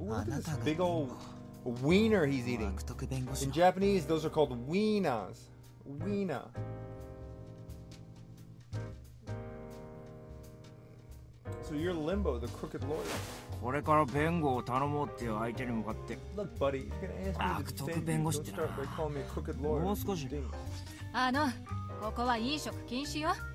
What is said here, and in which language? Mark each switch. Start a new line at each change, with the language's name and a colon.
English: Ooh, look at this big old... Wiener he's eating. In Japanese, those are called wienas. Wiener. So you're Limbo, the crooked lawyer.
Japanese: これから弁護を頼もうっていう相手に向かって。
English: Look, buddy, you're gonna ask me to defend you. Don't start by calling me a crooked lawyer.
Japanese: もう少し。あの、ここは飲食禁止よ。